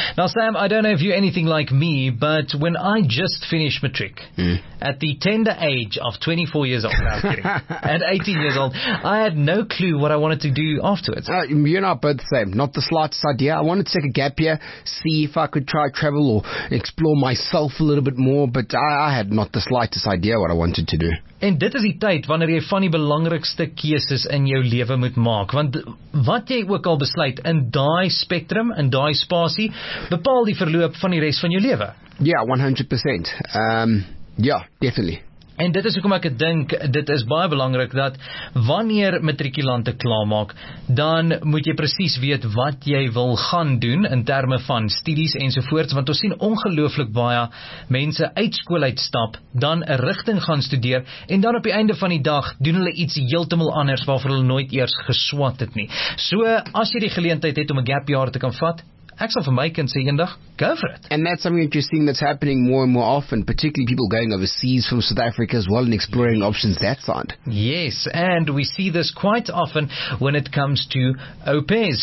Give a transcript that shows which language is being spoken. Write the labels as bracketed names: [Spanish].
[English] Now, Sam, I don't know if you're anything like me, but when I just finished matric, at the tender age of 24 years old, no, I'm kidding, at 18 years old, I had no clue what I wanted to do afterwards. You and I are both the same. Not the slightest idea. I wanted to take a gap year, see if I could try travel or explore myself a little bit more, but I had not the slightest idea what I wanted to do. [Afrikaans] En dit is die tyd wanneer jy van die belangrikste keuses in jou lewe moet maak, want wat jy ook al besluit in daai spectrum, in daai spasie, bepaal die verloop van die res van jou lewe. Ja, 100%. [English] Definitely. [Afrikaans] En dit is hoekom ek dink dit is baie belangrik dat wanneer matrikulante klaarmaak, dan moet jy presies weet wat jy wil gaan doen in terme van studies ensovoorts, want ons sien ongelooflik baie mense uit skool uitstap, dan 'n rigting gaan studeer en dan op die einde van die dag doen hulle iets heeltemal anders waarvoor hulle nooit eers geswat het nie. So as jy die geleentheid het om 'n gap year te kan vat, ek sal vir my kind sê eendag, [English] go for it. And that's something interesting that's happening more and more often, particularly people going overseas from South Africa as well and exploring options that side. Yes, and we see this quite often when it comes to au pairs.